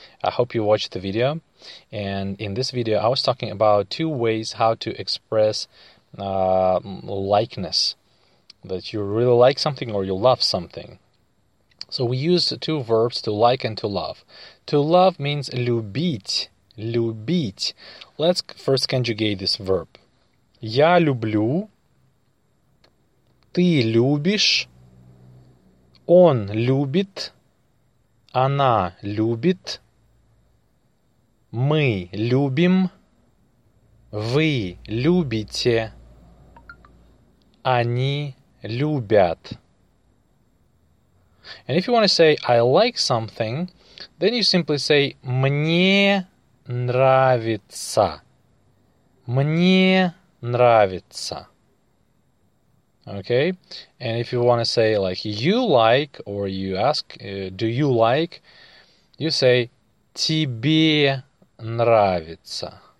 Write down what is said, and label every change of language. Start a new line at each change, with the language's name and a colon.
English: I hope you watched the video. And in this video, I was talking about two ways how to express likeness, that you really like something or you love something. So we use two verbs, to like and to love. To love means
Russian: любить, любить.
English: Let's first conjugate this verb.
Russian: Я люблю, ты любишь, он любит, она любит, мы любим, вы любите, они любят.
English: And if you want to say, I like something, then you simply say,
Russian: мне нравится. Мне нравится. Okay?
English: And if you want to say, like, you like, or you ask, do you like, you say,
Russian: тебе нравится.